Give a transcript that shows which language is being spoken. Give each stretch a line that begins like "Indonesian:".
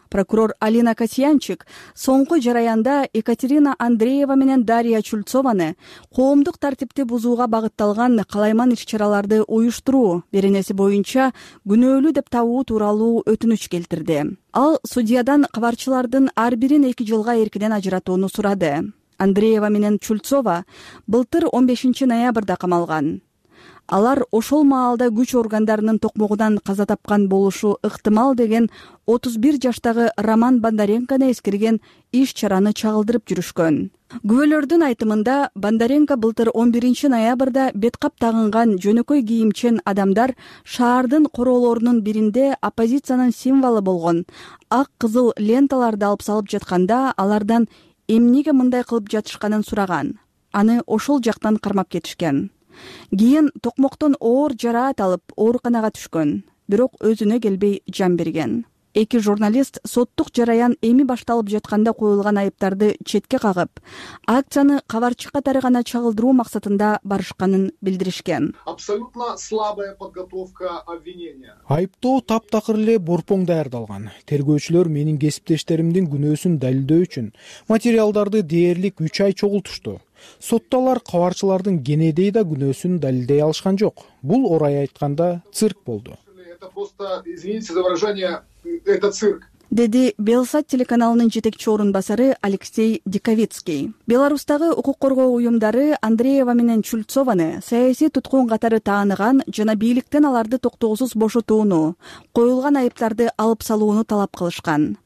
Kyrgyz: Прокурор Алина Касьянчик соңку жараянда Екатерина Андреева менен Дарья Чульцованы коомдук тартипти бузууга багытталган калайман иш-чараларды уюштуруу беренеси боюнча күнөөлүү деп табуу тууралуу өтүнүч келтирди. Ал судьядан кабарчылардын ар бирин 2 жылга эркинен ажыратууну сурады. Андреева менен Чульцова былтыр 15 ноябрда камалган. Алар ошол маалда күч органдарынын токмогунан каза тапкан болушу ыктымал деген 31 жаштагы Роман Бондаренкону эскерген иш чараны чагылдырып жүрүшкөн. Күбөлөрдүн айтымында Бондаренко былтыр 11 ноябрда беткап тагынган жөнөкөй кийимчен адамдар шаардын короолорунун биринде оппозициянын символу болгон ак кызыл ленталарды алып салып жатканда алардан эмнеге мындай кылып жатышканын сураган. Аны ошол жактан кармап кетишкен. Кийин токмоктон оор жараат алып, ооруканага түшкөн, бирок өзүнө келбей жан берген. Эки журналист соттук жараян эми башталып жатканда коюлган айыптарды четке кагып, акцияны кабарчы катары гана чагылдыруу максатында барышканын билдиришкен.
Russian: Абсолютно слабая подготовка обвинения.
Kyrgyz: Айыптоо таптакыр эле борпоң даярдалган. Тергөөчүлөр менин кесиптештеримдин күнөөсүн далилдөө үчүн материалдарды дээрлик 3 ай чогултушту. Соттолор кабарчылардын генедей да күнөөсүн далилдей алышкан жок. Бул орой айтканда цирк болду.
Russian: Это просто, извините за выражение, это цирк.
Kyrgyz: Деди Белсат телеканалынын жетекчи орун басары Алексей Диковицкий. Беларусьтагы укук коргоо уюмдары Андреева менен Чульцованы саясий туткун катары тааныган жана бийликтен аларды токтоосуз бошотууну, коюлган айыптарды алып салууну талап кылышкан.